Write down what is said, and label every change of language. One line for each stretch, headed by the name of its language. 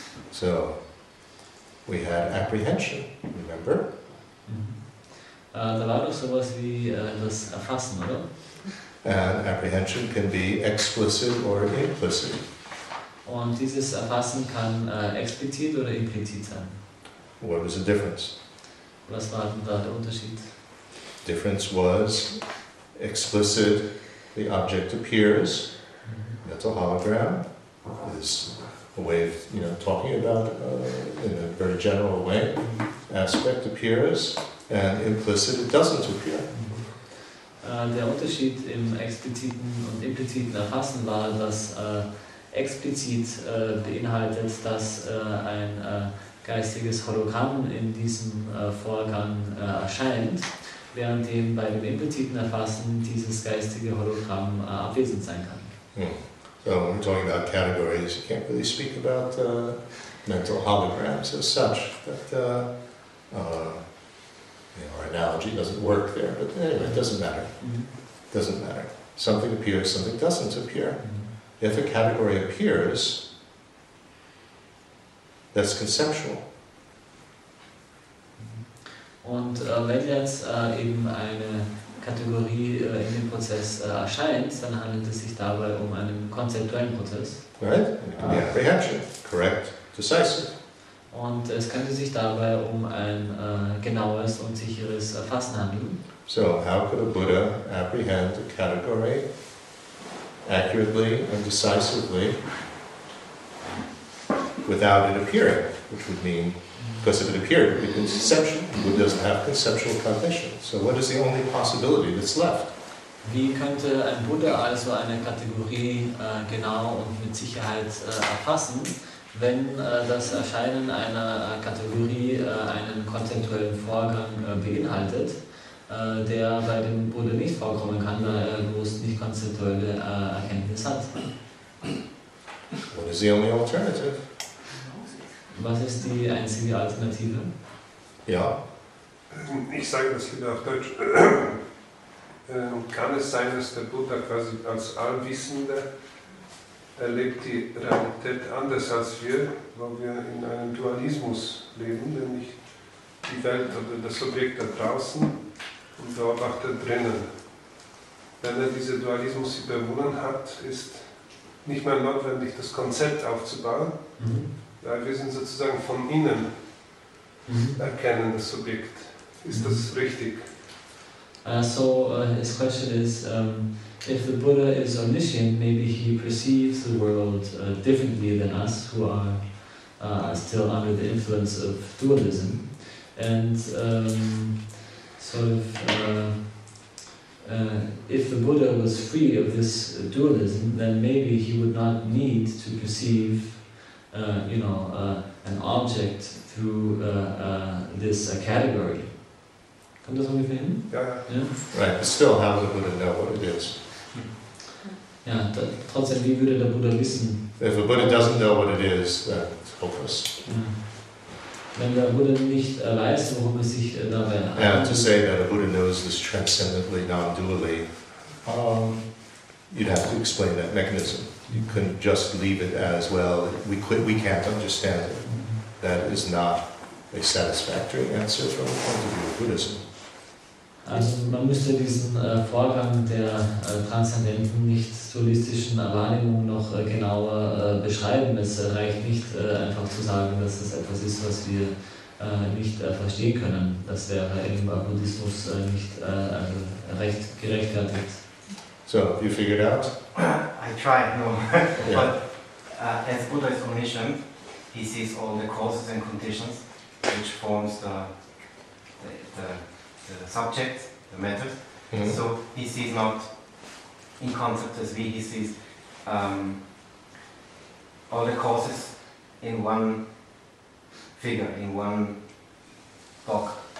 English: So, we had apprehension, remember?
German: Da war doch sowas wie das Erfassen, oder?
English: And apprehension can be explicit or implicit.
German: Und dieses Erfassen kann explizit oder implizit sein.
English: What was the difference?
German: Was war denn da der Unterschied?
English: Difference was explicit, the object appears, that's a hologram, is a way of, you know, talking about in a very general way, aspect appears, and implicit it doesn't appear.
German: Der Unterschied im expliziten und impliziten Erfassen war, dass explizit beinhaltet, dass ein geistiges Hologramm in diesem Vorgang erscheint, während dem bei dem impliziten Erfassen dieses geistige Hologramm abwesend sein kann.
English: So, when we're talking about categories, you can't really speak about mental holograms as such, but our analogy doesn't work there, but anyway, it doesn't matter. It doesn't matter. Something appears, something doesn't appear. If a category appears, that's conceptual.
German: Und wenn jetzt eben eine Kategorie in dem Prozess erscheint, dann handelt es sich dabei um einen konzeptuellen Prozess.
English: Right? It can be apprehension. Correct. Decisive.
German: Und es könnte sich dabei um ein genaues und sicheres Erfassen handeln.
English: So, how could a Buddha apprehend a category accurately and decisively without it appearing? Which would mean, because if it appeared, it would be conception. A Buddha doesn't have conceptual cognition. So what is the only possibility that's left?
German: Wie könnte ein Buddha also eine Kategorie genau und mit Sicherheit erfassen, wenn das Erscheinen einer Kategorie einen konzeptuellen Vorgang beinhaltet, der bei dem Buddha nicht vorkommen kann, da er bloß nicht konzeptuelle Erkenntnis hat?
English: What is the only alternative?
German: Was ist die einzige Alternative? Ja. Ich sage das wieder auf Deutsch. Kann es sein, dass der Buddha quasi als Allwissende er lebt die Realität anders als wir, weil wir in einem Dualismus leben, nämlich die Welt oder das Objekt da draußen und beobachtet drinnen. Wenn er diese Dualismus überwunden hat, ist nicht mehr notwendig, das Konzept aufzubauen, weil wir sind sozusagen von innen erkennendes Subjekt. Ist das richtig?
English: His question is, if the Buddha is omniscient, maybe he perceives the world differently than us, who are still under the influence of dualism. And if the Buddha was free of this dualism, then maybe he would not need to perceive, an object through this category.
German: Kommt das ungefähr hin? Ja.
English: Right, but still, how does the Buddha know what it is?
German: Ja, trotzdem, wie würde der Buddha wissen?
English: If the Buddha doesn't know what it is, then it's hopeless.
German: Wenn der Buddha nicht weiß, worum es sich dabei handelt.
English: Yeah, to say that a Buddha knows this transcendently, non-dually, you'd have to explain that mechanism. You couldn't just leave it as, well, we can't understand it. That is not a satisfactory answer from the point of view of Buddhism.
German: Also man müsste diesen Vorgang der transzendenten, nicht dualistischen Wahrnehmung noch genauer beschreiben. Es reicht nicht einfach zu sagen, dass das etwas ist, was wir nicht verstehen können. Das wäre eben bei Buddhismus nicht recht gerechtfertigt.
English: So, have you figured out? I tried, no. Yeah. But as Buddha is omniscient, he sees all the causes and conditions which forms the subject, the matter. Mm-hmm. So he sees not in concept as we, he sees all the causes in one figure, in one book.